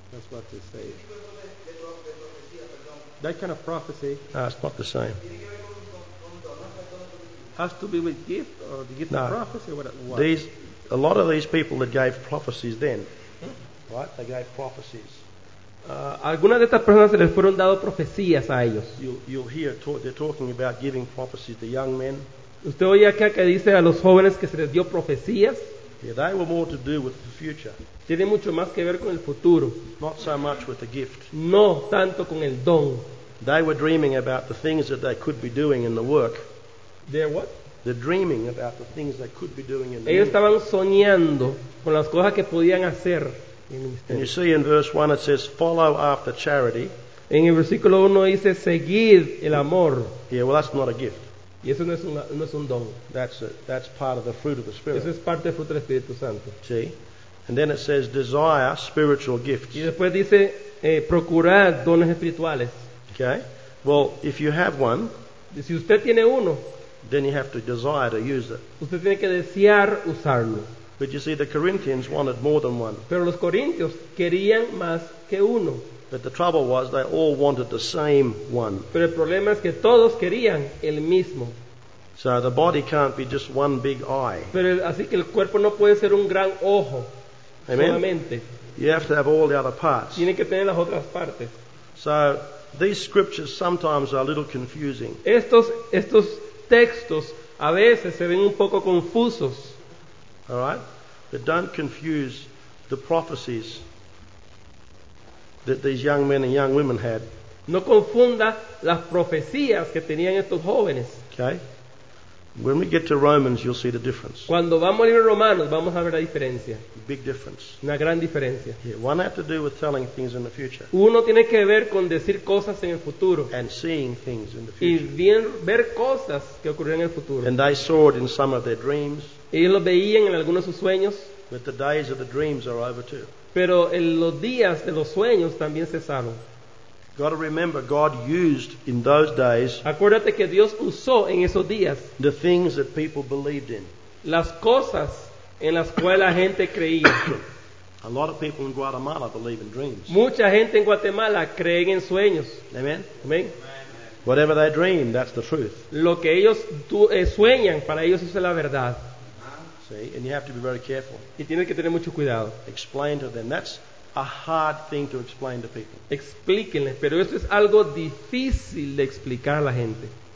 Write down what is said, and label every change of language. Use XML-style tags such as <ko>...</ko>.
<en>That's what they say. That kind of prophecy. No, it's not the same. Has to be with gift or the gift of prophecy? What? A lot of these people that gave prophecies then, right? They gave prophecies.</en> <es>Algunas de estas personas se les fueron dado profecías a ellos.</es> <en>They're talking about giving prophecies to young men.</en> <es>Usted oye acá que dice a los jóvenes que se les dio profecías.</es> <en>Yeah, they were more to do with the future.</en> <es>Tiene mucho más que ver con el futuro.</es> <en>Not so much with the gift.</en> <es>No tanto con el don.</es> <en>They were dreaming about the things that they could be doing in the work. They're what? They're dreaming about the things they could be doing in the</en> <es>Ellos estaban soñando con las cosas que podían hacer.</es> <en>And you see in verse 1 it says, follow after charity.</en> <es>En el versículo 1 dice, seguid el amor.</es> <en>Yeah, well, that's not a gift.</en> <es>Y eso no es un don.</es> <en>That's part of the fruit of the Spirit.</en> <es>Eso es parte del fruto del Espíritu Santo.</es> <en>See? And then it says, desire spiritual gifts.</en> <es>Y después dice, procurar dones espirituales.</es> <en>Okay? Well, if you have one,</en> <es>si usted tiene uno,</es> <en>then you have to desire to use it.</en> <es>Usted tiene que desear usarlo.</es> <en>But you see, the Corinthians wanted more than one.</en> <es>Pero los corintios querían más que uno.</es> <en>But the trouble was, they all wanted the same one.</en> <es>Pero el problema es que todos querían el mismo.</es> <en>So the body can't be just one big eye.</en> <es>Pero así que el cuerpo no puede ser un gran ojo. Amen. Solamente.</es> <en>You have to have all the other parts.</en> <es>Tiene que tener las otras partes.</es> <en>So these scriptures sometimes are a little confusing.</en> <es>Estos textos a veces se ven un poco confusos.</es> <en>All right, but don't confuse the prophecies that these young men and young women had.</en> <es>No confunda las profecías que tenían estos jóvenes.</es> <en>Okay, when we get to Romans, you'll see the difference.</en> <es>Cuando vamos al libro de Romanos, vamos a ver la diferencia.</es> <en>Big difference.</en> <es>Una gran diferencia.</es> <en>Yeah, one has to do with telling things in the future.</en> <es>Uno tiene que ver con decir cosas en el futuro.</es> <en>And seeing things in the future.</en> <es>Y bien ver cosas que ocurrirán en el futuro.</es> <en>And they saw it in some of their dreams.</en> <es>Y lo veían en algunos de sus sueños.</es> <en>But the days of the dreams are over too.</en> <es>Pero en los días de los sueños también cesaron.</es> <en>Got to remember, God used in those days.</en> <es>Acuérdate que Dios usó en esos días.</es> <en>The things that people believed in.</en> <es>Las cosas en las cuales la gente creía.</es> <en>A lot of people in Guatemala believe in dreams.</en> <es>Mucha gente en Guatemala cree en sueños. Amen. Amen.</es> <en>Whatever they dream, that's the truth.</en> <es>Lo que ellos sueñan, para ellos eso es la verdad.</es> <en>And you have to be very careful.</en> <es>Y tienes que tener mucho cuidado.</es> <en>Explain to them. That's a hard thing to explain to people.</en> <es>Explíquenle, pero esto es algo difícil de explicar a la gente.</es>